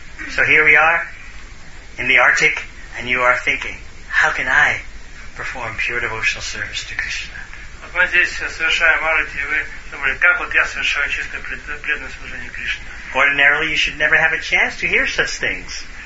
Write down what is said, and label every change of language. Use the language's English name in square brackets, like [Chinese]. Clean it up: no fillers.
[English] So here we are in the Arctic, and you are thinking, how can I perform pure devotional service to Krishna? [Russian] Вот мы здесь совершаем арати, и вы думали, как вот я совершаю чистое преданное служение Кришне? [English] Ordinarily, you should never have a chance to hear such things.